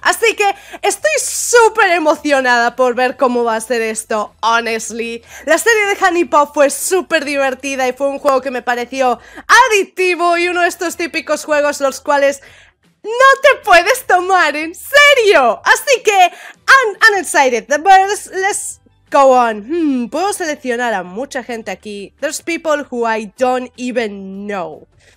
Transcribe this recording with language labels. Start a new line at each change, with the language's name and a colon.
Spanish: Así que estoy súper emocionada por ver cómo va a ser esto,
English: honestly.
Spanish: La serie de Honey Pop fue súper divertida y fue un juego que me pareció adictivo y uno de estos típicos juegos los cuales no te puedes tomar en serio. Así que
English: I'm excited, but let's go on.
Spanish: Puedo seleccionar a mucha gente aquí.
English: There's people who I don't even know.